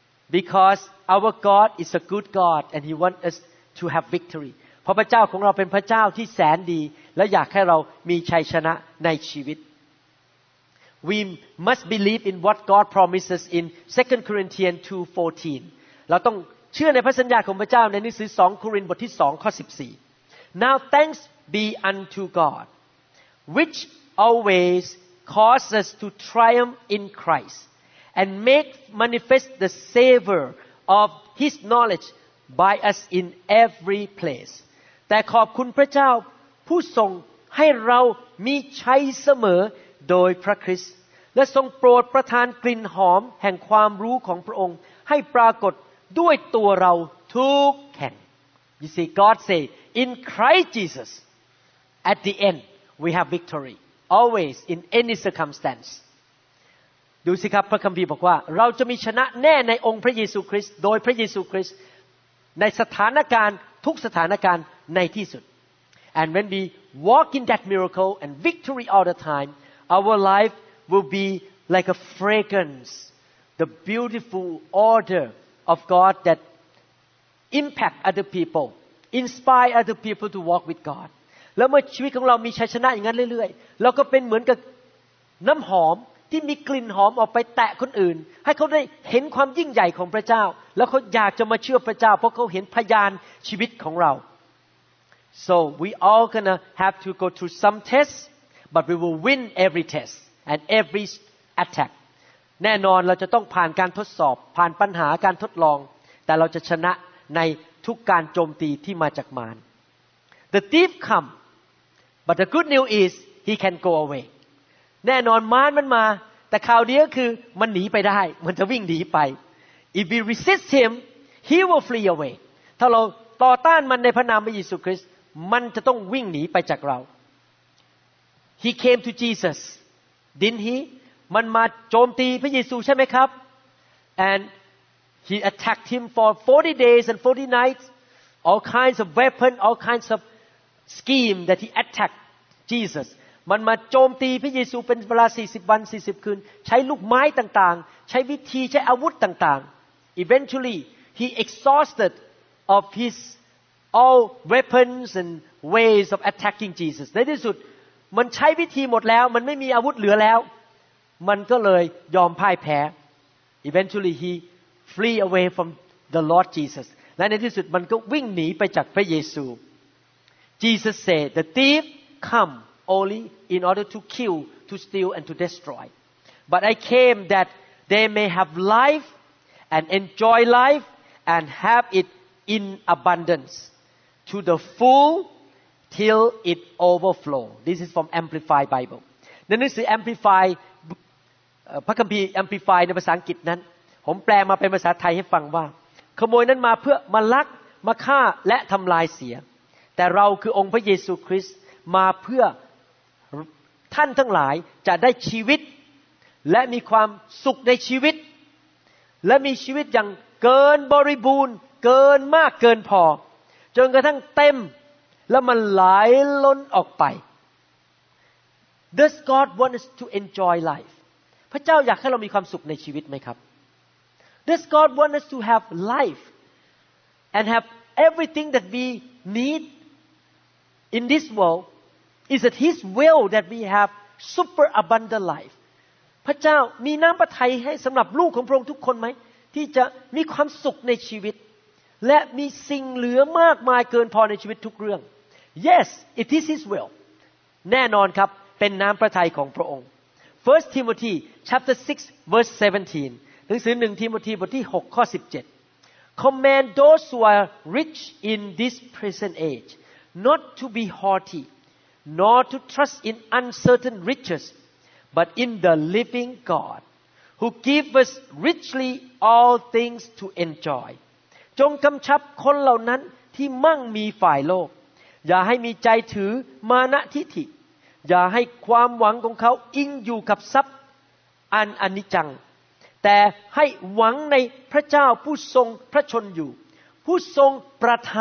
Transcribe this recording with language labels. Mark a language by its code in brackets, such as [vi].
[en] Because our God is a good God and He wants us to have victory. [th] เพราะพระเจ้าของเราเป็นพระเจ้าที่แสนดีและอยากให้เรามีชัยชนะในชีวิต [en] We must believe in what God promises in 2 Corinthians 2:14 [th] เราต้องเชื่อในพระสัญญาของพระเจ้าในหนังสือ2โครินธ์บทที่2ข้อ14 [en] Now thanks be unto God which always causes to triumph in Christ and make manifest the savor of his knowledgeby us in every place [th] แต่ขอบคุณพระเจ้าผู้ทรงให้เรามีชัยเสมอโดยพระคริสต์และทรงโปรดประทานกลิ่นหอมแห่งความรู้ของพระองค์ให้ปรากฏด้วยตัวเราทุกแห่ง [en] You see, God say, in Christ Jesus, at the end, we have victory. Always, in any circumstance. [th] ดูสิครับพระคัมภีร์บอกว่าเราจะมีชนะแน่ในองค์พระเยซูคริสต์โดยพระเยซูคริสต์ในสถานการณ์ทุกสถานการณ์ในที่สุด [en] And when we walk in that miracle and victory all the time, our life will be like a fragrance, the beautiful odor of God thatimpact other people, inspire other people to walk with God. [th] แล้วเมื่อชีวิตของเรามีชัยชนะอย่างนั้นเรื่อยๆเราก็เป็นเหมือนกับน้ำหอมที่มีกลิ่นหอมออกไปแตะคนอื่นให้เขาได้เห็นความยิ่งใหญ่ของพระเจ้าแล้วเขาอยากจะมาเชื่อพระเจ้าเพราะเขาเห็นพยานชีวิตของเรา [en] So we all gonna have to go through some tests, but we will win every test and every attack. [th] แน่นอนเราจะต้องผ่านการทดสอบผ่านปัญหาการทดลองแต่เราจะชนะในทุกการโจมตีที่มาจากมาร [en] The thief come but the good news is he can go away [th] แน่นอนมารมันมาแต่ข่าวดีก็คือมันหนีไปได้มันจะวิ่งหนีไป [en] If we resist him he will flee away [th] ถ้าเราต่อต้านมันในพระนามพระเยซูคริสต์มันจะต้องวิ่งหนีไปจากเรา [en] He came to Jesus didn't he [th] มันมาโจมตีพระเยซูใช่ไหมครับ [en] andHe attacked him for 40 days and 40 nights. All kinds of weapon, all kinds of scheme that he attacked Jesus. [th] มันมาโจมตีพระเยซูเป็นเวลา40วัน40คืนใช้ลูกไม้ต่างๆใช้วิธีใช้อาวุธต่าง [en] ๆ Eventually, he exhausted of his all weapons and ways of attacking Jesus. [th] ในที่สุดมันใช้วิธีหมดแล้วมันไม่มีอาวุธเหลือแล้วมันก็เลยยอมพ่ายแพ้ [en] Eventually, heflee away from the Lord Jesus [th] และในที่สุดมันก็วิ่งหนีไปจากพระเยซู [en] Jesus said the thief come only in order to kill to steal and to destroy but I came that they may have life and enjoy life and have it in abundance to the full till it overflow this is from Amplified Bible [th] ในหนังสือ Amplify พระคัมภีร์ Amplify ในภาษาอังกฤษนั้นผมแปลมาเป็นภาษาไทยให้ฟังว่าขโมยนั้นมาเพื่อมาลักมาฆ่าและทำลายเสียแต่เราคือองค์พระเยซูคริสต์มาเพื่อท่านทั้งหลายจะได้ชีวิตและมีความสุขในชีวิตและมีชีวิตอย่างเกินบริบูรณ์เกินมากเกินพอจนกระทั่งเต็มและมันไหลล้นออกไป [en] Does God want us to enjoy life [th] พระเจ้าอยากให้เรามีความสุขในชีวิตไหมครับ [en] Does God want us to have life and have everything that we need in this world? Is it His will that we have super abundant life? [th] พระเจ้ามีน้ำพระทัยให้สำหรับลูกของพระองค์ทุกคนไหมที่จะมีความสุขในชีวิตและมีสิ่งเหลือมากมายเกินพอในชีวิตทุกเรื่อง [en] Yes, it is His will. [th] แน่นอนครับเป็นน้ำพระทัยของพระองค์ [en] First Timothy chapter 6 verse 17. [th] หนังสือ1ทิโมธีบทที่6ข้อ17 [en] Command those who are rich in this present age not to be haughty nor to trust in uncertain riches but in the living God who gives us richly all things to enjoy [th] จงกำชับคนเหล่านั้นที่มั่งมีฝ่ายโลกอย่าให้มีใจถือมานะทิฐิอย่าให้ความหวังของเขาอิงอยู่กับทรัพย์อันอนิจจังแต่ให้หวังในพระเจ้าผู้ทรงพระชนอยู่ผู้ทรงประ